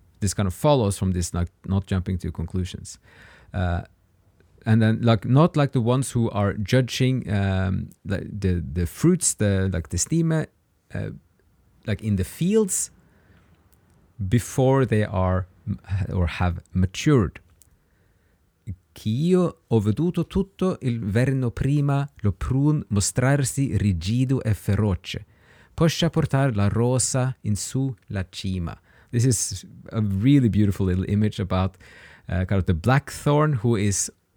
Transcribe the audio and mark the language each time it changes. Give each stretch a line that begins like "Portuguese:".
English: This kind of follows from this, like not jumping to conclusions. And then, like, not like the ones who are judging the fruits, the stima, like in the fields before they are or have matured.
Italian: Chi io ho veduto tutto il verno prima lo prun mostrarsi rigido e feroce, poscia portar la rosa in su la cima.
English: This is a really beautiful little image about kind of the blackthorn who is.